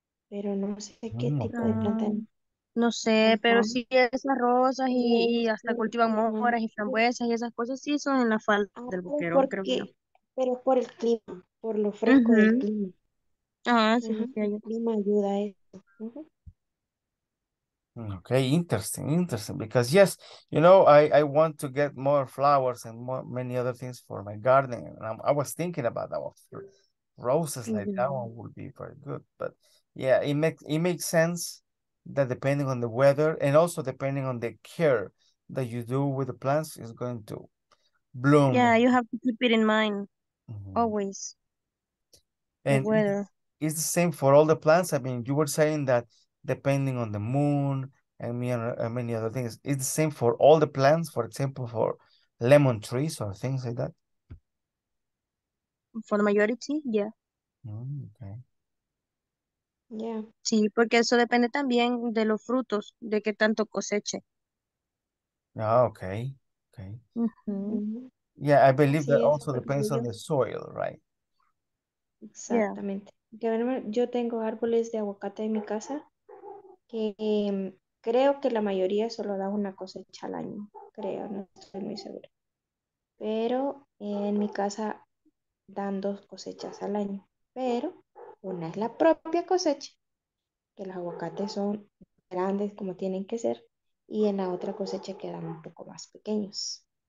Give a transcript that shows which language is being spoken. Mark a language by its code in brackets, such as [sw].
[es] Pero no sé qué tipo de planta. No sé, pero sí, esas rosas y hasta cultivan moras y frambuesas y esas cosas sí son en la falda del Boquerón, creo que. Pero por el clima, por lo fresco del clima. Ah, sí, sí, el clima ayuda a eso. [en] Okay, interesting, because yes, you know, I want to get more flowers and more many other things for my garden, and I was thinking about that one. Roses like that one would be very good, but yeah, it makes sense that depending on the weather and also depending on the care that you do with the plants, is going to bloom. Yeah, you have to keep it in mind, always, and the weather. It's the same for all the plants. I mean, you were saying that depending on the moon and many other things. It's the same for all the plants, for example, for lemon trees or things like that? For the majority, yeah. Okay. Yeah. [es] Sí, porque eso depende también de los frutos, de qué tanto coseche. [en] Ah, okay. Okay. Mm-hmm. Yeah, I believe sí, that also depends on the soil, right? [es] Exactamente. Yeah. Yo tengo árboles de aguacate en mi casa. Que creo que la mayoría solo da una cosecha al año, creo, no estoy muy segura. Pero en mi casa dan dos cosechas al año, pero una es la propia cosecha, que los aguacates son grandes como tienen que ser, y en la otra cosecha quedan un poco más pequeños.